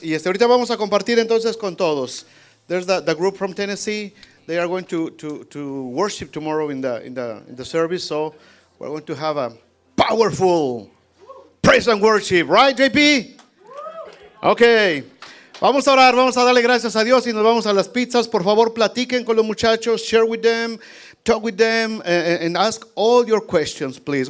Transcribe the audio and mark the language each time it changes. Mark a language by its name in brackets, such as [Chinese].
[Spanish] Y ahorita vamos a compartir entonces con todos. [English] There's the group from Tennessee. They are going to worship tomorrow in the service. So we're going to have a powerful praise and worship. Right, JP? Ok. [Spanish] Vamos a orar, vamos a darle gracias a Dios y nos vamos a las pizzas. Por favor, platiquen con los muchachos, [English] share with them, talk with them, and ask all your questions, please.